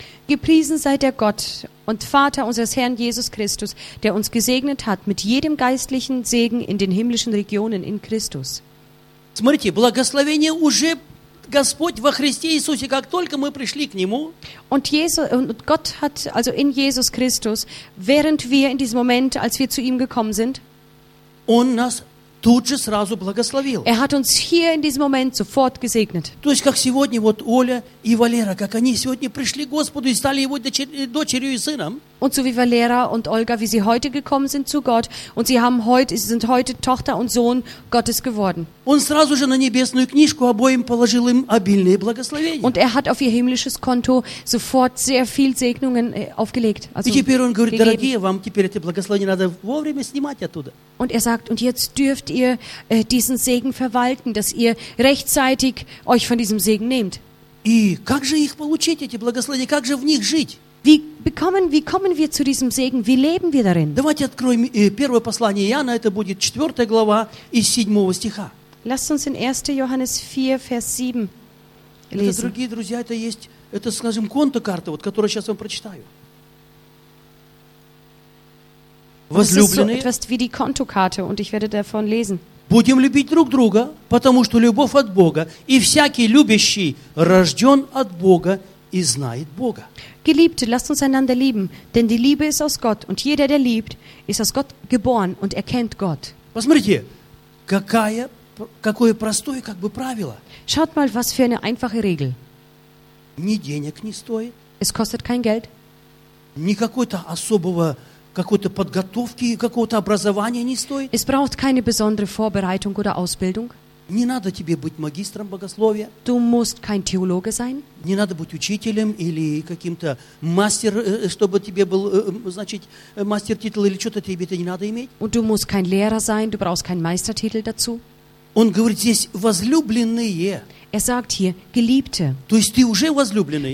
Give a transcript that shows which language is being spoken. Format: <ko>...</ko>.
<de>Gepriesen sei der Gott und Vater unseres Herrn Jesus Christus, der uns gesegnet hat mit jedem geistlichen Segen in den himmlischen Regionen in Christus.</de> <ru>Смотрите, благословение уже Господь во Христе Иисусе, как только мы пришли к Нему.</ru> <de>Und Jesus, und Gott hat also in Jesus Christus, während wir in diesem Moment, als wir zu ihm gekommen sind,</de> <ru>Он нас тут же сразу благословил.</ru> <de>Er hat uns hier in diesem Moment sofort gesegnet.</de> <ru>То есть, как сегодня вот Оля и Валера, как они сегодня пришли к Господу и стали его дочерью и сыном.</ru> <de>Und so wie Valera und Olga, wie sie heute gekommen sind zu Gott und sie sind heute Tochter und Sohn Gottes geworden.</de> <ru>Он сразу же на небесную книжку обоим положил им обильные благословения.</ru> <de>Und er hat auf ihr himmlisches Konto sofort sehr viel Segnungen aufgelegt. Also</de> <ru>и теперь он говорит, gegeben. Дорогие, вам теперь эти благословения надо вовремя снимать оттуда.</ru> <de>Und er sagt, und jetzt dürft ihr diesen Segen verwalten, dass ihr rechtzeitig euch von diesem Segen nehmt.</de> <ru>И как же их получить, эти благословения, как же в них жить?</ru> <de>Wie kommen wir zu diesem Segen? Wie leben wir darin?</de> <ru>Давайте откроем первое послание Иоанна, это будет 4 глава из 7 стиха.</ru> <de>Lasst uns in 1. Johannes 4, Vers 7 lesen.</de> <ru>Это, дорогие друзья, это есть, это, скажем, контокарта, вот, которую сейчас вам прочитаю. Возлюбленные.</ru> <de>Das ist so etwas wie die Kontokarte und ich werde davon lesen.</de> <ru>Будем любить друг друга, потому что любовь от Бога, и всякий любящий рожден от Бога и знает Бога.</ru> <de>Geliebte, lasst uns einander lieben, denn die Liebe ist aus Gott und jeder, der liebt, ist aus Gott geboren und erkennt Gott.</de> <ru>Посмотрите, какое простое как бы правило.</ru> <de>Schaut mal, was für eine einfache Regel.</de> <ru>Ни денег не стоит.</ru> <de>Es kostet kein Geld.</de> <ru>Ни какой-то особого какой-то подготовки, какого-то образования не стоит.</ru> <de>Es braucht keine besondere Vorbereitung oder Ausbildung.</de> <ru>Не надо тебе быть магистром богословия.</ru> <de>Du musst kein Theologe sein.</de> <ru>Не надо быть учителем или каким-то мастер, чтобы тебе был, значит, мастер-титул или что-то тебе это не надо иметь.</ru> <de>Und du musst kein Lehrer sein, du brauchst keinen Meistertitel dazu.</de> <ru>Он говорит здесь возлюбленные.</ru> <de>Er sagt hier, Geliebte.</de> <ru>То есть ты уже возлюбленный.</ru>